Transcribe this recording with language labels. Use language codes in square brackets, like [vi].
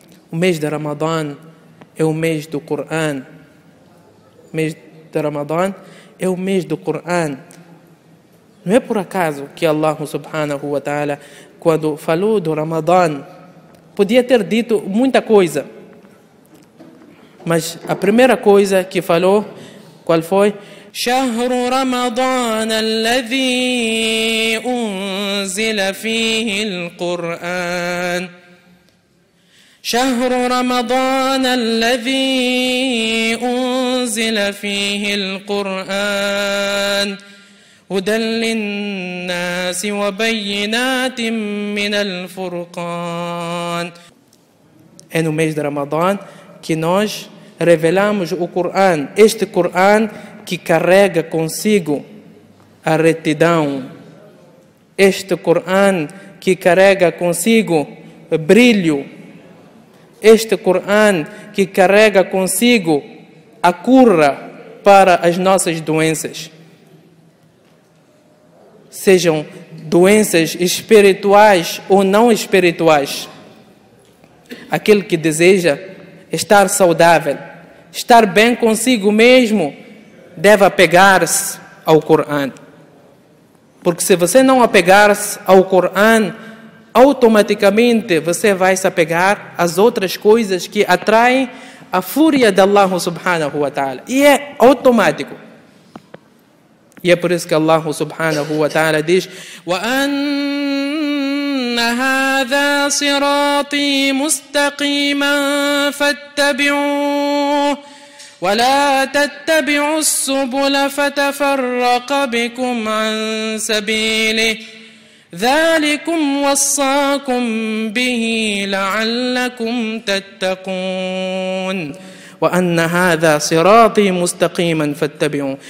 [pt] O mês de Ramadã é o mês do Coran. O mês de Ramadã é o mês do Coran. Não é por acaso que Allah subhanahu wa ta'ala, quando falou do Ramadã, podia ter dito muita coisa. Mas a primeira coisa que falou, qual foi? [ar] شهر رمضان الذي أنزل فيه القرآن شهر رمضان الذي أنزل فيه القرآن هدى للناس وبينات من الفرقان. [pt] É no mês de Ramadan que nós revelamos o Corão, este Corão que carrega consigo a retidão, este Coran que carrega consigo brilho, este Coran que carrega consigo a cura para as nossas doenças, sejam doenças espirituais ou não espirituais. Aquele que deseja estar saudável, estar bem consigo mesmo, deve apegar-se ao Coran. Porque se você não apegar-se ao Coran, automaticamente você vai se apegar às outras coisas que atraem a fúria de Allah subhanahu wa ta'ala. E é automático. E é por isso que Allah subhanahu wa ta'ala diz: [ar] وَأَنَّ هَذَا صِرَاطِي مُسْتَقِيمًا فَاتَّبِعُوهُ وَلَا تَتَّبِعُوا السُّبُلَ فَتَفَرَّقَ بِكُمْ عَنْ سَبِيلِهِ ذَلِكُمْ وَصَّاكُمْ بِهِ لَعَلَّكُمْ تَتَّقُونَ وَأَنَّ هَذَا صِرَاطِي مُسْتَقِيمًا فَاتَّبِعُوا.